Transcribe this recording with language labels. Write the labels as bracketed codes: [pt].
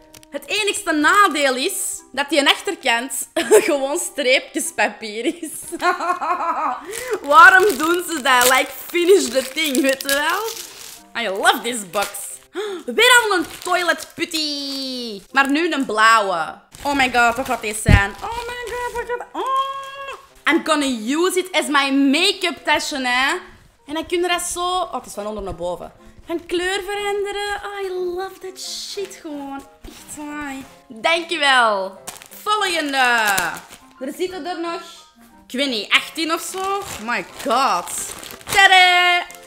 [nl] Het enigste nadeel is dat die een achterkant gewoon streepjespapier is. Waarom doen ze dat? [en] Like, finish the thing, [nl] weet je wel? [en] I love this box. [nl] Weer al een toilet putty. Maar nu een blauwe. [en] Oh my god, [nl] wat gaat dit zijn? [en] Oh my god, [nl] wat gaat... Oh. [en] I'm gonna use it as my make-up tasje, hè. [nl] En dan kun je dat zo... Oh, het is van onder naar boven. Van kleur veranderen. [en] Oh, I love that shit [nl] gewoon. Echt saai. Dankjewel. Volgende. Er zitten er nog. Ik weet niet, 18 of zo? [en] My god. [nl] Tada.